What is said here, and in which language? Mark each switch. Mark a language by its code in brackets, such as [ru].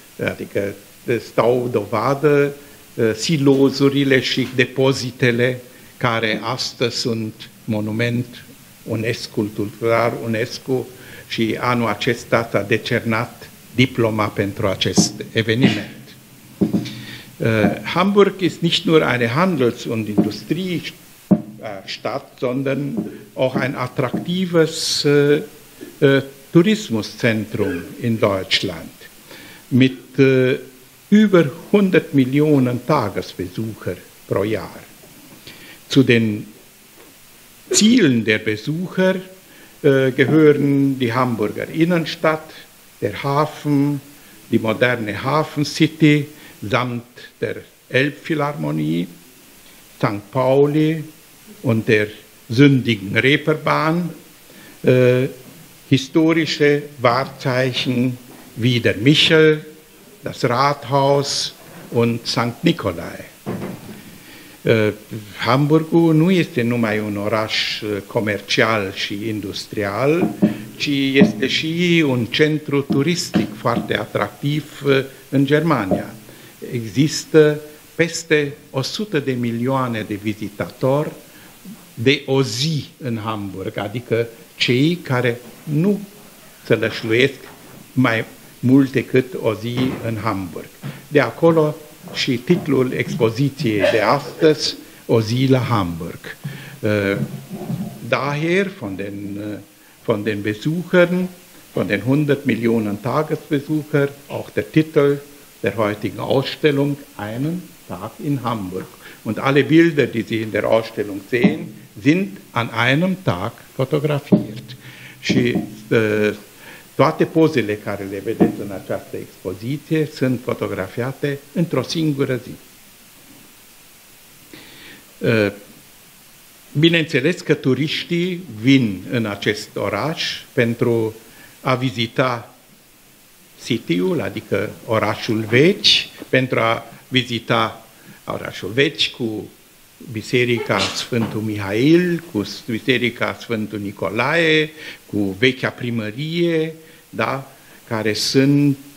[ro] adică stau dovadă silozurile și depozitele care astăzi sunt monument UNESCO, cultural UNESCO, și anul acesta s-a decernat diploma pentru acest eveniment. [de] Hamburg ist nicht nur eine Handels- und Industriestadt, sondern auch ein attraktives Tourismuszentrum in Deutschland. Mit über 100 Millionen Tagesbesucher pro Jahr. Zu den Zielen der Besucher gehören die Hamburger Innenstadt, der Hafen, die moderne Hafencity samt der Elbphilharmonie, St. Pauli und der sündigen Reeperbahn, historische Wahrzeichen wie der Michel, das Rathaus und St. Nikolai. [ro] Hamburgo nu este numai un oraș comercial și industrial, ci este și un centru turistic foarte atractiv în Germania. Există peste 100 de milioane de vizitatori de o zi în Hamburg, adică cei care nu sălășluiesc mai mult decât o zi în Hamburg. De acolo și titlul expoziției de astăzi, O zi la Hamburg. [de] Daher von den Besuchern, von den 100 Millionen Tagesbesuchern, auch der Titel der heutigen Ausstellung, Einen Tag in Hamburg. Und alle Bilder, die Sie in der Ausstellung sehen, sind an einem Tag fotografiert. [ro] Și toate pozele care le vedeți în această expoziție sunt fotografiate într-o singură zi. Bineînțeles că turiștii vin în acest oraș pentru a vizita city-ul, adică orașul vechi, pentru a vizita orașul vechi cu Biserica Sfântul Mihail, cu Biserica Sfântul Nicolae, cu vechea primărie, da, care sunt